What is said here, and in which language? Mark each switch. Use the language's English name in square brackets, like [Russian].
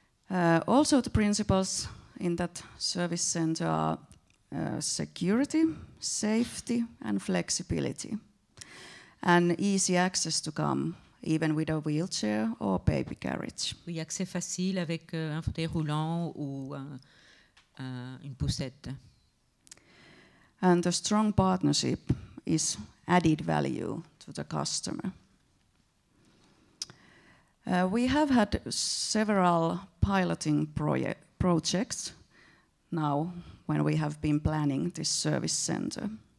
[English] Also the principles in that service center are security, safety and flexibility, and easy access to come, even with a wheelchair or baby carriage. [French] Oui, accès facile avec un fauteuil roulant ou une poussette. [English] And the strong partnership is added value to the customer. We have had several piloting projects now when we have been planning this service center.